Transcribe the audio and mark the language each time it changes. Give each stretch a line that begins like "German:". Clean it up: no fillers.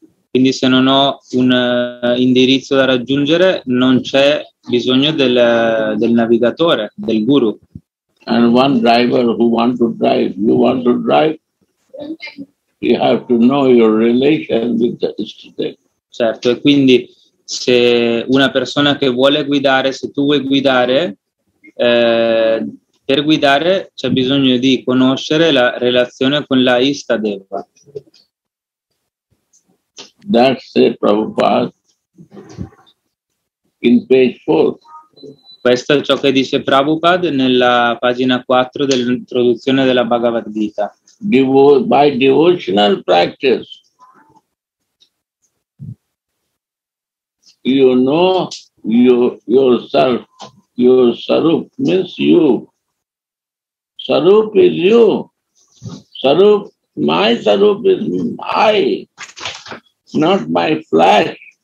Italian: Quindi se non ho un indirizzo da raggiungere, non c'è bisogno del navigatore, del guru.
English: And one driver who wants to drive, you want to drive, you have to know your relation with the Ishtadeva.
Italian: Certo, e quindi se una persona che vuole guidare, se tu vuoi guidare, per guidare c'è bisogno di conoscere la relazione con la Ishtadeva.
English: That's the Prabhupada in page 4.
Italian: Questo è ciò che dice Prabhupada nella pagina 4 dell'introduzione della Bhagavad Gita.
English: By devotional practice, you know yourself, your sarup means you. Sarup is you. Sarup, my sarup is I, not my flesh.